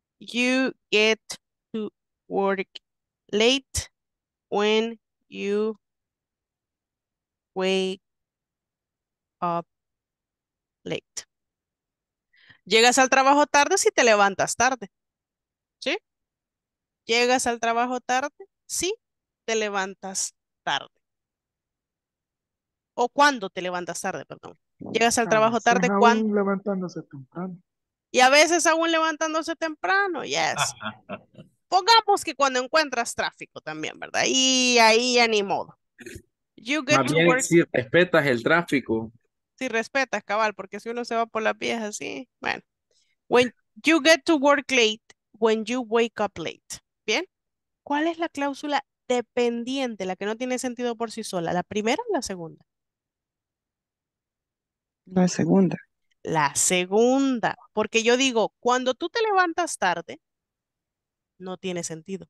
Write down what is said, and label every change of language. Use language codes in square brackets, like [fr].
[en] You get to work late when you wake up late. [es] Llegas al trabajo tarde si te levantas tarde. ¿Sí? Llegas al trabajo tarde si te levantas tarde. O cuando te levantas tarde, perdón. Llegas al trabajo tarde cuando... Aún levantándose temprano. Y a veces aún levantándose temprano, yes. Pongamos que cuando encuentras tráfico también, ¿verdad? Y ahí ya ni modo. [en] You get [es] también [en] to work... [es] si respetas el tráfico. Si respetas, cabal, porque si uno se va por las vías así, bueno. [en] When you get to work late, when you wake up late. [es] ¿Bien? ¿Cuál es la cláusula dependiente, la que no tiene sentido por sí sola? ¿La primera o la segunda? La segunda. La segunda. Porque yo digo, cuando tú te levantas tarde... No tiene sentido.